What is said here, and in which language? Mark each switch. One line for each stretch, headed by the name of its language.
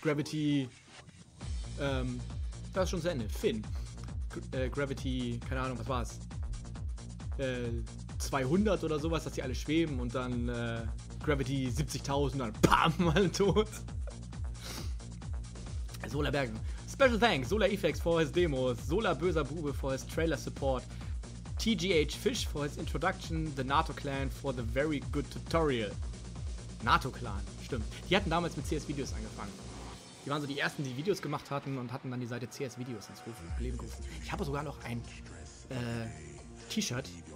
English: Gravity.
German: Das ist schon das Ende. Finn. Gravity, keine Ahnung, was war's? 200 oder sowas, dass die alle schweben und dann Gravity 70.000, dann bam, alle tot. Sola Bergen.
English: Special thanks, Sola Efex for his Demos, Sola Böser Bube for his Trailer Support, TGH Fish for his Introduction, The NATO Clan for the very good tutorial.
German: NATO Clan, stimmt. Die hatten damals mit CS Videos angefangen. Die waren so die ersten, die Videos gemacht hatten und hatten dann die Seite CS Videos ins Leben gerufen. Ich habe sogar noch ein T-Shirt.